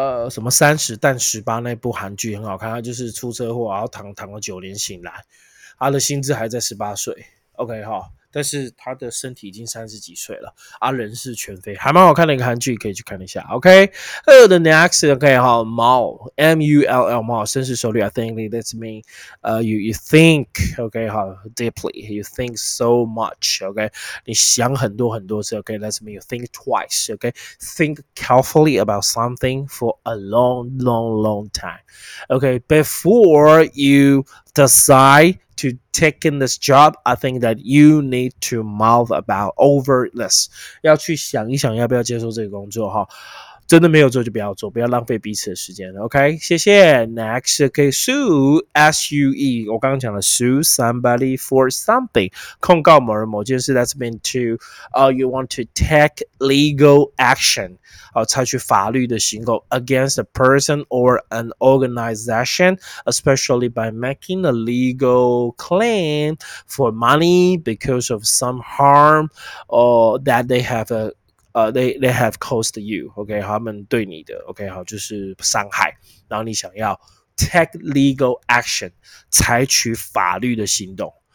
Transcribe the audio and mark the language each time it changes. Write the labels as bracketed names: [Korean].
[Chinese] 什么三十但十八那部韩剧很好看，他就是出车祸，然后躺了九年醒来，他的心智还在十八岁 ，OK 哈，但是他的身体已经三十几岁了，啊，人事全非，还蛮好看的一个韩剧，可以去看一下 ，OK。 [English] The next OK 哈 ，mull，深思熟虑 ，I think that's mean， you think OK 哈 ，deeply，you think so much，OK，、okay? [Chinese] 你想很多很多次 [English] ，OK， that's mean you think twice，OK，、okay? think carefully about something for a long time，OK，、okay? before you。 decide to take in this job, I think that you need to mull about over this. [Chinese] 要去想一想要不要接受这个工作哈。真的没有做就不要做，不要浪费彼此的时间。 [English] OK， 谢谢。Next， OK， sue， S U E， [Chinese] 我刚刚讲了 [English] sue somebody for something， [Chinese] 控告某人某件事。 [English] That's mean to， you want to take legal action， 采取法律的行动 against a person or an organization， especially by making a legal claim for money because of some harm， or that they have they have caused you, OK, [Chinese] 他们对你的 [English] OK, 好， [Chinese] 就是伤害，然后你想要 [English] take legal action, [Chinese] 采取法律的行动